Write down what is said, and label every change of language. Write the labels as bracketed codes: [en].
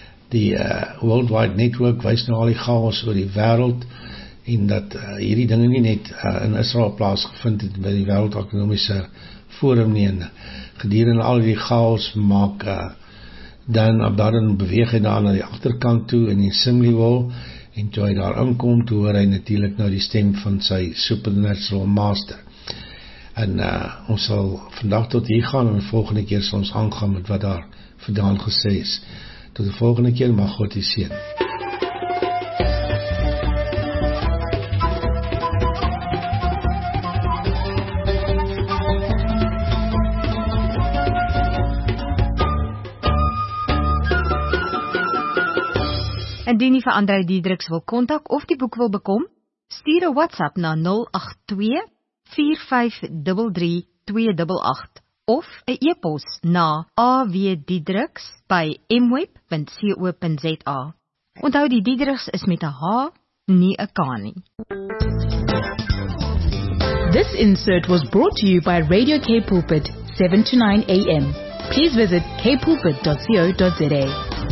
[af] Die [en] worldwide network [af] wys nou al die chaos oor die wêreld en dat hierdie dinge nie net in Israel plaas gevind het by die wêreld ekonomiese forum nie, en gedurende al die chaos maak dan op daarin beweeg hy daar na die agterkant toe in die [en] assembly hall, [af] en toe hy daar inkom toe hoor hy natuurlik nou die stem van sy [en] supernatural master. [af] En ons sal vandag tot hier gaan en volgende keer sal ons aangaan met wat daar vandaan gesê is. Tot de volgende keer, mag God u zien. Indien jy vir Andre Diedriks wil kontak of die boek wil bekom, stuur 'n WhatsApp na 082-4533-288 of 'n e-pos na awdiedriks@mweb.co.za. Onthou die Diedriks is met 'n H, nie 'n K nie. [en] This insert was brought to you by Radio K Pulpit 7 to 9 AM. Please visit kpulpit.co.za.